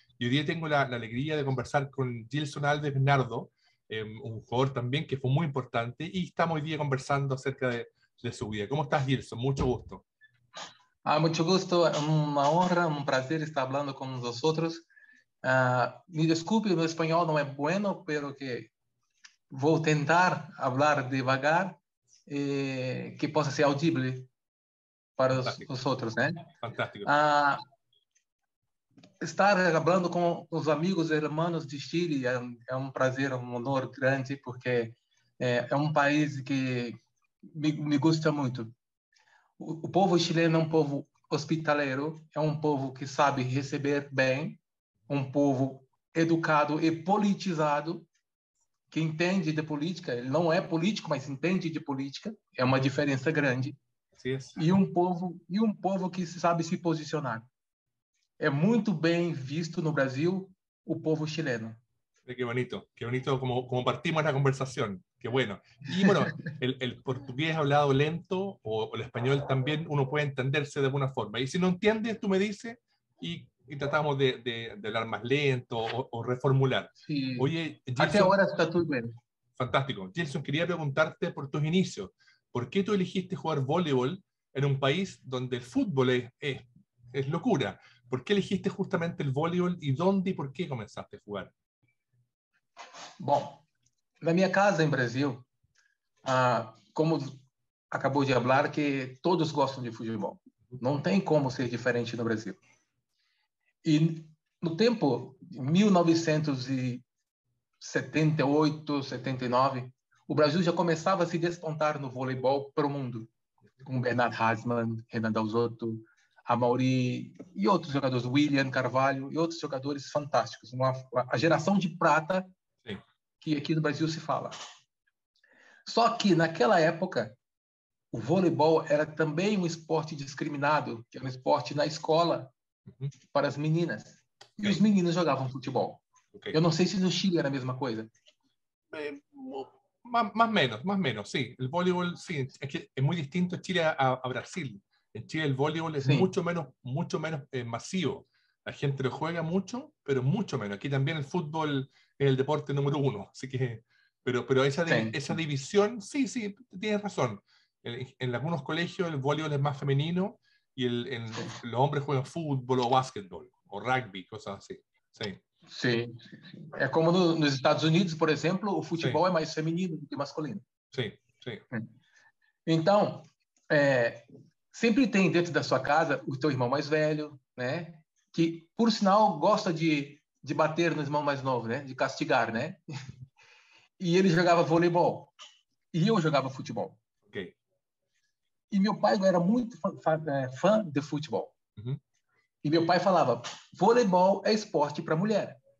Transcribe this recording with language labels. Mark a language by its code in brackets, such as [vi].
[es] Y hoy día tengo la alegría de conversar con Gilson Alves Bernardo, un jugador también que fue muy importante, y estamos hoy día conversando acerca de su vida. ¿Cómo estás, Gilson? Mucho gusto. Ah, mucho gusto, una honra, un placer estar hablando con vosotros. Me disculpe, [pt] meu espanhol não é [es] bueno, pero [pt] que vou tentar hablar devagar, que possa ser audível para os outros, né? Fantástico. Estar falando com os amigos e irmãos de Chile é um prazer, um honor grande, porque é um país que [es] me gusta [pt] muito. O povo chileno é um povo hospitaleiro, é um povo que sabe receber bem, um povo educado e politizado, que entende de política, ele não é político, mas entende de política, é uma diferença grande. Sim. E um povo que sabe se posicionar. É muito bem visto no Brasil o povo chileno. [es] Que bonito como partimos la conversación, que bueno. Y bueno, el portugués hablado lento, o el español también, uno puede entenderse de alguna forma. Y si no entiendes, tú me dices, y tratamos de hablar más lento o reformular. Sí. Oye, Gilson, hasta ahora está todo bien. Fantástico. Gilson, quería preguntarte por tus inicios. ¿Por qué tú elegiste jugar voleibol en un país donde el fútbol es locura? ¿Por qué elegiste justamente el voleibol y dónde y por qué comenzaste a jugar? [pt] Bom, na minha casa em Brasil, como acabou de falar, que todos gostam de futebol. Não tem como ser diferente no Brasil. E no tempo, 1978, 79, o Brasil já começava a se despontar no voleibol para o mundo. Com Bernard Hasmann, Renan Dalzotto, Amaury e outros jogadores, William Carvalho e outros jogadores fantásticos. A geração de prata que aqui no Brasil se fala. Só que, naquela época, o voleibol era também um esporte discriminado, que era um esporte na escola, para as meninas. E os meninos jogavam futebol. Okay. Eu não sei se no Chile era a mesma coisa. Mais ou menos, sim. O voleibol, sim, é muito distinto de Chile a Brasil. Em Chile, o voleibol é muito menos massivo. [es] La gente lo juega mucho, pero mucho menos. Aquí también el fútbol es el deporte número uno. Así que, pero esa división, sí, tienes razón. En algunos colegios el voleibol es más femenino y los hombres juegan fútbol o básquetbol o rugby, cosas así. Sí. Sí. Es como nos Estados Unidos, por ejemplo, el fútbol es más femenino que masculino. Sí. Entonces, siempre tiene dentro de su casa o tu hermano más velho, ¿no? [pt] Que, por sinal, gosta de bater no irmão mais novo, né? De castigar, né? E ele jogava voleibol. E eu jogava futebol. Ok. E meu pai era muito fã de futebol. Uhum. E meu pai falava, voleibol é esporte para mulher.